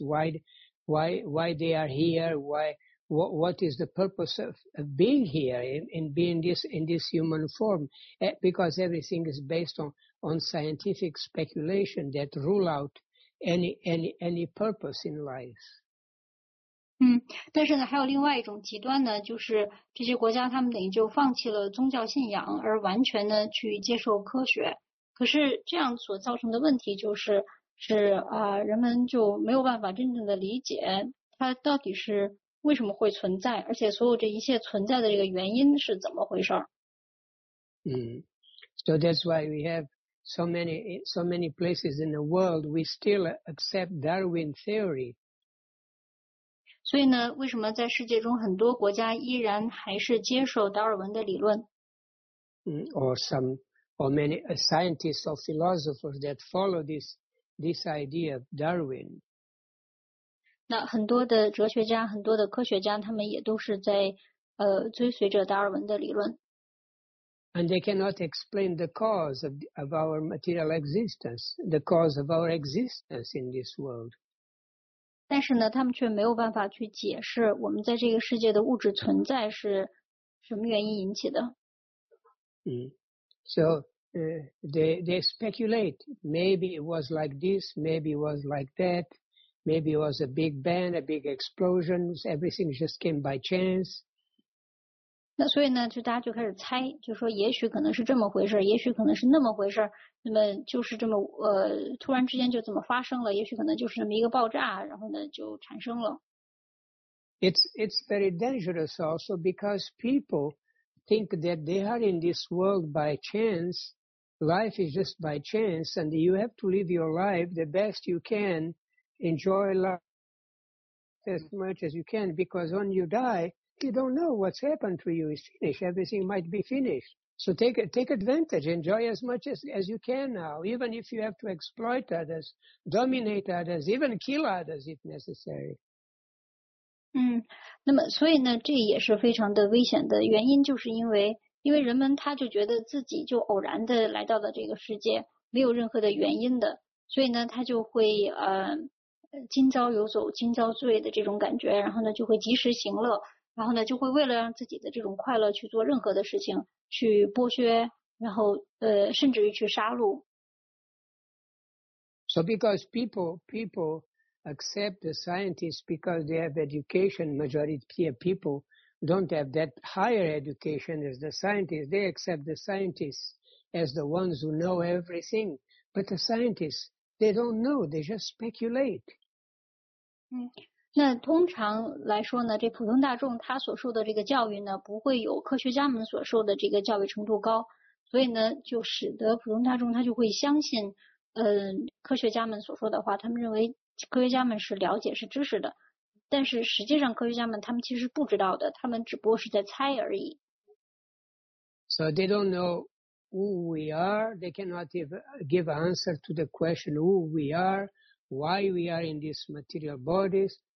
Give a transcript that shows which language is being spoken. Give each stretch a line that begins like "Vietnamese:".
English: Why they are here? What is the purpose of being here in being in this human form? Because everything is based on scientific speculation that rule out any purpose in life.
Chinese: 但是呢，还有另外一种极端呢，就是这些国家他们等于就放弃了宗教信仰，而完全呢去接受科学。可是这样所造成的问题就是。是啊，人们就没有办法真正的理解它到底是为什么会存在，而且所有这一切存在的这个原因是怎么回事儿。
English: So that's why we have so many places in the world we still accept Darwin theory.
Chinese: 所以呢，为什么在世界中很多国家依然还是接受达尔文的理论？
English: Or many scientists or philosophers that follow this idea of Darwin.
Chinese: 那很多的哲学家，很多的科学家，他们也都是在追随着达尔文的理论。
English: And they cannot explain the cause of our material existence, the cause of our existence in this world.
Chinese: 但是呢，他们却没有办法去解释我们在这个世界的物质存在是什么原因引起的。
English: So, they speculate. Maybe it was like this, maybe it was like that, maybe it was a big bang, a big explosion, everything just came by chance.
Chinese: 那所以呢，就大家就开始猜，就说也许可能是这么回事，也许可能是那么回事，那么就是这么突然之间就怎么发生了，也许可能就是那么一个爆炸，然后呢就产生了。
English: It's very dangerous also because people think that they are in this world by chance, life is just by chance, and you have to live your life the best you can, enjoy life as much as you can, because when you die, you don't know what's happened to you, it's finished, everything might be finished. So take advantage, enjoy as much as you can now, even if you have to exploit others, dominate others, even kill others if necessary.
Chinese: 那么所以呢，这也是非常的危险的原因，就是因为人们他就觉得自己就偶然的来到了这个世界，没有任何的原因的，所以呢，他就会今朝有酒今朝醉的这种感觉，然后呢，就会及时行乐，然后呢，就会为了让自己的这种快乐去做任何的事情，去剥削，然后甚至于去杀戮。
English: So because people accept the scientists because they have education, majority of people don't have that higher education as the scientists. They accept the scientists as the ones who know everything. But the scientists, they don't know, they just speculate.
Chinese: 那通常来说呢，这普通大众他所受的这个教育呢，不会有科学家们所受的这个教育程度高，所以呢，就使得普通大众他就会相信，科学家们所说的话，他们认为科学家们是了解是知识的，但是实际上科学家们他们其实不知道的，他们只不过是在猜而已。
English: So they don't know who we are. They cannot give answer to the question who we are, why we are in these material bodies.